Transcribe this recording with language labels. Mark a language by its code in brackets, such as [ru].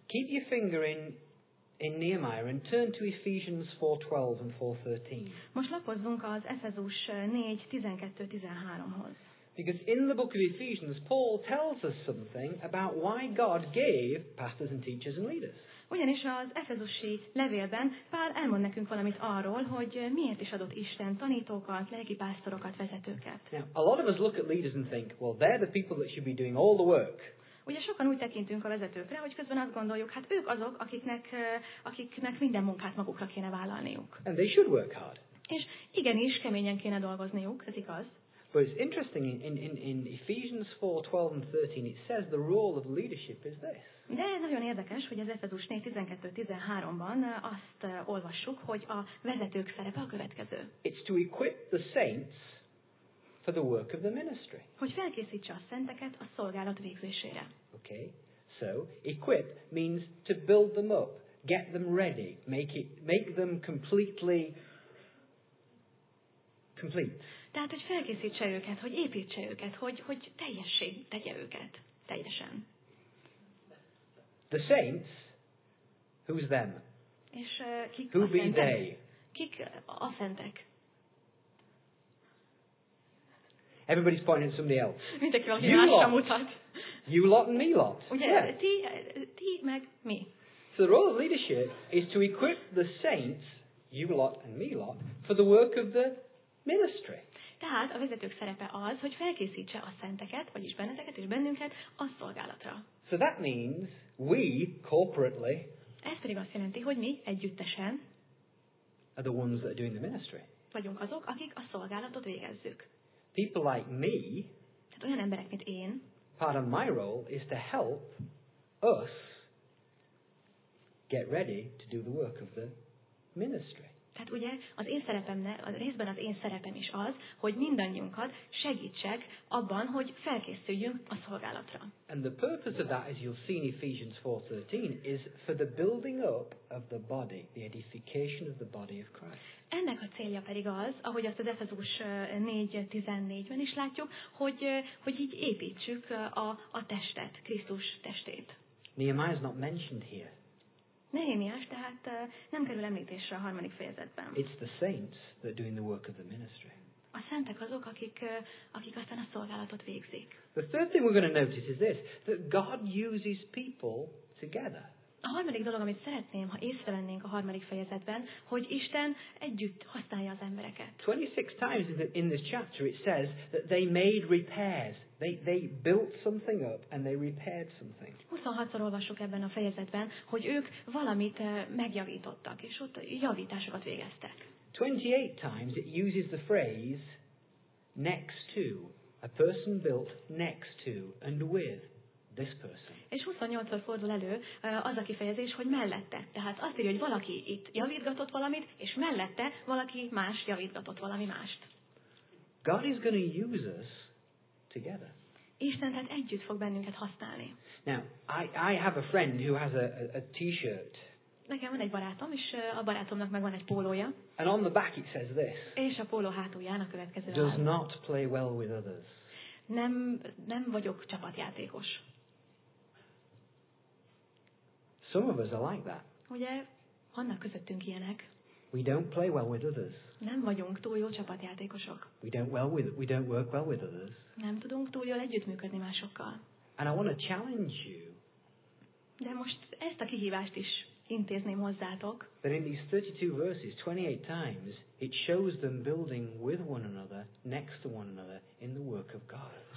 [en] Keep your finger in Nehemiah and turn to Ephesians 4:12 and 4:13. [hu] Most lapozzunk az Efezus 4:12-13-hoz. [en] Because in the book of Ephesians, Paul tells us something about why God gave pastors and teachers and leaders. [hu] Ugyanis az efezusi levélben Pál elmond nekünk valamit arról, hogy miért is adott Isten tanítókat, lelki pásztorokat, vezetőket. [en] Now, a lot of us look at leaders and think, well, they're the people that should be doing all the work. [hu] Ugye sokan úgy tekintünk a vezetőkre, hogy közben azt gondoljuk, hát ők azok, akiknek minden munkát magukra kéne vállalniuk. [en] And they should work hard. [hu] És igenis, keményen kéne dolgozniuk, ez igaz. [en] But it's interesting, in Ephesians 4:12 and 13, it says the role of leadership is this. [hu] De nagyon érdekes, hogy az Efezus 4:12-13-ban azt olvassuk, hogy a vezetők szerepe a következő. [en] It's to equip the saints for the work of the ministry. [hu] Hogy felkészítse a szenteket a szolgálat végzésére. [en] Okay, so equip means to build them up, get them ready, make them completely complete. [hu] Tehát, hogy felkészítse őket, hogy építse őket, hogy teljessé tegye őket, teljesen. [en] The saints, who's them? [hu] És kik [en] Who [hu] a szentek? [en] Be they? [hu] Kik a szentek? [en] Everybody's pointing at somebody else. [hu] Mindenki valaki másra mutat. [en] You lot and me lot. Ugye, yeah. [hu] Ti meg mi. [en] So the role of leadership is to equip the saints, you lot and me lot, for the work of the ministry. [hu] Tehát a vezetők szerepe az, hogy felkészítse a szenteket, vagyis benneteket és bennünket a szolgálatra. [en] So that means we corporately. [hu] Ez pedig azt jelenti, hogy mi együttesen. [en] Are the ones that are doing the ministry. [hu] Vagyunk azok, akik a szolgálatot végezzük. [en] People like me. [hu] Tehát olyan emberek, mint én. [en] Part of my role is to help us get ready to do the work of the ministry. [hu] Tehát ugye az én szerepemnek, a részben az én szerepem is az, hogy mindannyiunkat segítsek abban, hogy felkészüljünk a szolgálatra. [en] And the purpose of that, as you'll see in Ephesians 4:13, is for the building up of the body, the edification of the body of Christ. [hu] Ennek a célja pedig az, ahogy azt az Efezus 4:14-ben is látjuk, hogy így építsük a testet, Krisztus testét. [en] Nehemiah is not mentioned here. [hu] Nehémiás, tehát nem kerül említésre a harmadik fejezetben. [en] It's the saints that are doing the work of the ministry. [hu] A szentek azok, akik aztán a szolgálatot végzik. [en] The third thing we're going to notice is this, that God uses people together. [hu] A harmadik dolog, amit szeretném, ha észrevennénk a harmadik fejezetben, hogy Isten együtt használja az embereket. [en] 26 times in this chapter it says that they made repairs. They built something up and they repaired something. [hu] 26-szor olvassuk ebben a fejezetben, hogy ők valamit megjavítottak, és ott javításokat végeztek. [en] 28 times it uses the phrase next to, a person built next to and with. This person. [hu] És 28-szor fordul elő az a kifejezés, hogy mellette. Tehát azt írja, hogy valaki itt javítgatott valamit, és mellette valaki más javítgatott valami mást. [en] God is going to use us together. [hu] Isten tehát együtt fog bennünket használni. [en] Now, I have a friend who has a t-shirt. [hu] Nekem van egy barátom, és a barátomnak meg van egy pólója. [en] And on the back it says this. [hu] És a póló hátulján a következő. [en] Does not play well with others. [hu] Nem vagyok csapatjátékos. [en] Some of us are like that. [hu] Ugye, vannak közöttünk ilyenek. [en] We don't play well with others. [hu] Nem vagyunk túl jó csapatjátékosok. [en] We don't work well with others. [hu] Nem tudunk túl jól együttműködni másokkal. [en] And I want to challenge you. [hu] De most ezt a kihívást is intézném hozzátok. [en] But in these 32 verses, 28 times, it shows them building with one another, next to one another, in the work of God.